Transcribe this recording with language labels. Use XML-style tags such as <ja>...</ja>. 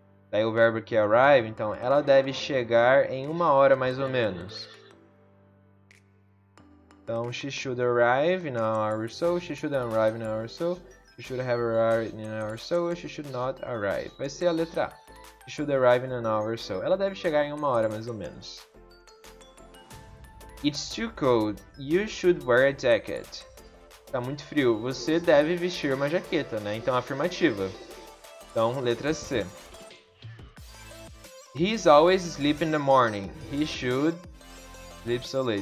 <pt>Daí o verbo que é arrive, então ela deve chegar em 1 hora mais ou menos.</pt> <en>Então, she should arrive in an hour or so, she should arrive in an hour or so, she should have arrived in an hour or so, she should not arrive.</en> <pt>Vai ser a letra A.</pt> <en>She should arrive in an hour or so.</en> <pt>Ela deve chegar em 1 hora mais ou menos.</pt> <en>It's too cold. You should wear a jacket.</en> <pt>Tá muito frio. Você deve vestir uma jaqueta, né? Então, afirmativa. Então, letra C.</pt> <en>He's always sleep in the morning. He should sleep so late.</en>